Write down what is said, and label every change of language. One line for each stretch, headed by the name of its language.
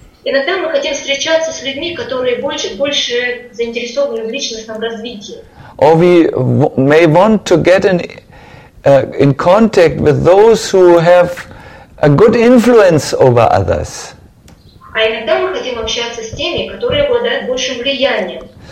Russian: Иногда мы хотим встречаться с людьми, которые больше заинтересованы в личностном развитии.
English: Or we may want to get in contact with those who have a good influence over others.
Russian: А иногда мы хотим общаться с теми, которые обладают большим влиянием.